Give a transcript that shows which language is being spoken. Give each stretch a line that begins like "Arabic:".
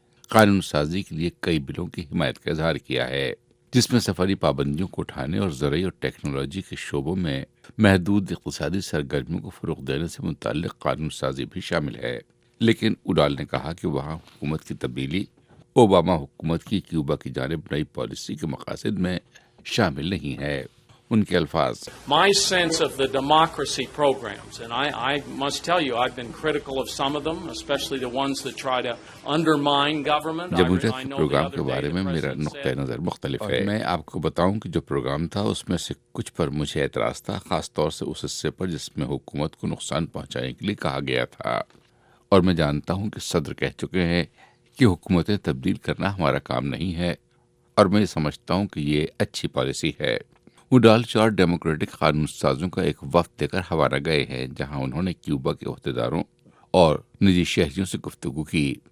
Urdu: قانون سازی کے لیے کئی بلوں کی حمایت کا اظہار کیا ہے، جس میں سفری پابندیوں کو اٹھانے اور زرعی اور ٹیکنالوجی کے شعبوں میں محدود اقتصادی سرگرمیوں کو فروغ دینے سے متعلق قانون سازی بھی شامل ہے۔ لیکن اوڈال نے کہا کہ وہاں حکومت کی تبدیلی اوباما حکومت کی کیوبا کی جانب نئی پالیسی کے مقاصد میں شامل نہیں ہے۔ ان کے الفاظ،
English: My sense of the democracy programs, and I must tell you, I've been critical of some of them, especially the ones that try to undermine government.
Urdu: جمہوریت پروگرام کے بارے میں میرا نقطہ نظر مختلف ہے۔ میں آپ کو بتاؤں کہ جو پروگرام تھا اس میں سے کچھ پر مجھے اعتراض تھا، خاص طور سے اس حصے پر جس میں حکومت کو نقصان پہنچانے کے لیے کہا گیا تھا، اور میں جانتا ہوں کہ صدر کہہ چکے ہیں کہ حکومتیں تبدیل کرنا ہمارا کام نہیں ہے، اور میں سمجھتا ہوں کہ یہ اچھی پالیسی ہے۔ اوڈال 4 ڈیموکریٹک قانون سازوں کا ایک وفد دے کر حوالہ گئے ہیں، جہاں انہوں نے کیوبا کے عہدیداروں اور نجی شہریوں سے گفتگو کی۔